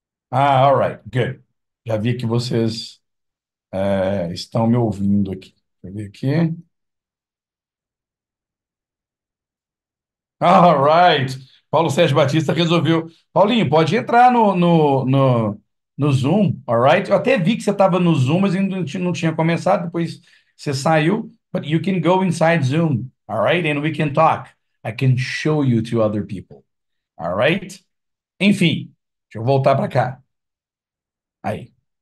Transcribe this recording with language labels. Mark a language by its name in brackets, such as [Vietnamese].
[English] Ah, all right, good. [Portuguese] Já vi que vocês estão me ouvindo aqui. Vou ver aqui. All right, Paulo Sérgio Batista resolveu. Paulinho, pode entrar no Zoom, [English] all right? [Portuguese] Eu até vi que você estava no Zoom, mas ainda não tinha começado, depois você saiu. [English] But you can go inside Zoom, all right? And we can talk. I can show you to other people, all right? [Portuguese] Enfim, deixa eu voltar para cá. Aí.